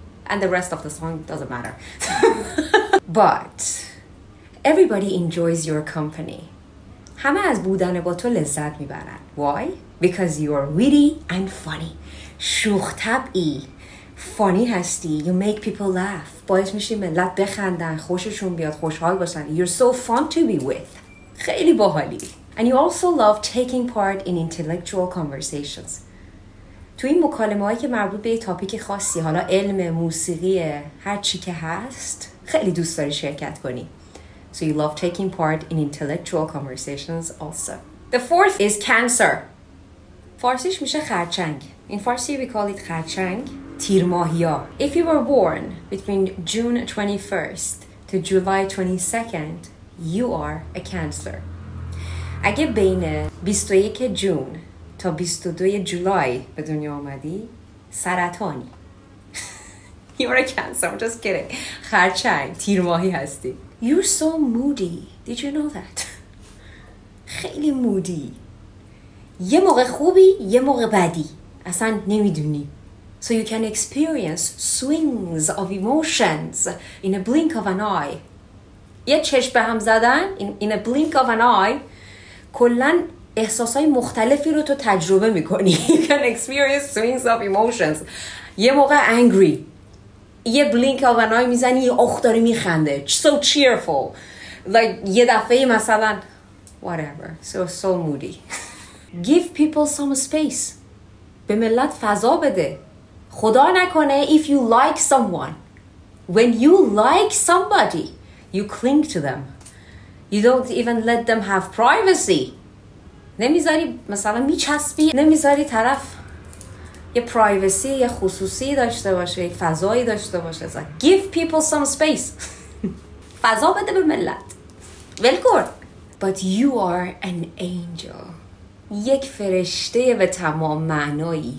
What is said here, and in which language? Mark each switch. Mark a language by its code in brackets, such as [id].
[en] And the rest of the song doesn't matter. But everybody enjoys your company. [fa] همه از بودن با تو لذت میبرن. [en] Why? Because you are witty and funny. [fa] شوخ طبعی. Funny هستی. [en] You make people laugh. [fa] باعث میشی ملت بخندن. خوششون بیاد. خوشحال باشن. [en] You're so fun to be with. [fa] خیلی باحالی. [en] And you also love taking part in intellectual conversations. [fa] تو این مکالمه هایی که مربوط به یه تاپیک خاصی، حالا علم، موسیقی، هر چی که هست، خیلی دوست داری شرکت کنی. [en] So you love taking part in intellectual conversations also. The fourth is Cancer. [fa] فارسیش میشه خرچنگ. [en] In Farsi we call it [fa] خرچنگ، تیر ماهیا. [en] If you were born between June 21st to July 22nd, you are a Cancer. [fa] اگه بین 21 جون تا 22 جولای به دنیا آمدی، سرطانی. [en] You are a Cancer. I'm just kidding. [fa] خرچنگ، تیر ماهی هستی. [en] You're so moody. Did you know that? [fa] خیلی مودی. یه موقع خوبی، یه موقع بدی. اصلا نمیدونی. [en] So you can experience swings of emotions in a blink of an eye. [fa] یه چشم به هم زدن [en] in a blink of an eye [fa] کلن احساسای مختلفی رو تو تجربه میکنی. [en] You can experience swings of emotions. [fa] یه موقع [en] angry. [fa] یه [en] blink of an eye [fa] میزنی یه اخ داری میخنده. [en] So cheerful. Like [fa] یه دفعه مثلا [en] whatever. So moody. Give people some space. [fa] به ملت فضا بده. خدا نکنه [en] if you like someone. When you like somebody, you cling to them. You don't even let them have privacy. [fa] نمیذاری مثلا میچسبی، نمیذاری طرف یه پرایوسی، یه خصوصی داشته باشه، یه فضایی داشته باشه. [en] Give people some space. [fa] فضا بده به ملت. ولکن. [en] But you are an angel. [fa] یک فرشته به تمام معنایی.